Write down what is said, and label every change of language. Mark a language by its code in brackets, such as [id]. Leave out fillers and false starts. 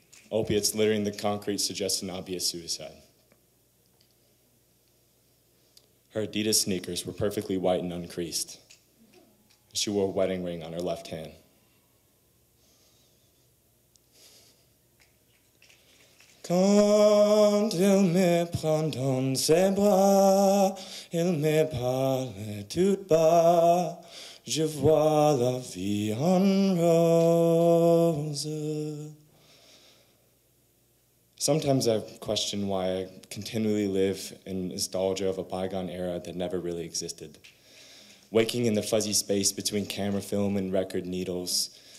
[en] Opiates littering the concrete suggest an obvious suicide. Her Adidas sneakers were perfectly white and uncreased. She wore a wedding ring on her left hand. [fr] Quand il me prend dans ses bras, il me parle tout bas, je vois la vie en rose. [en] Sometimes I question why I continually live in nostalgia of a bygone era that never really existed. Waking in the fuzzy space between camera film and record needles.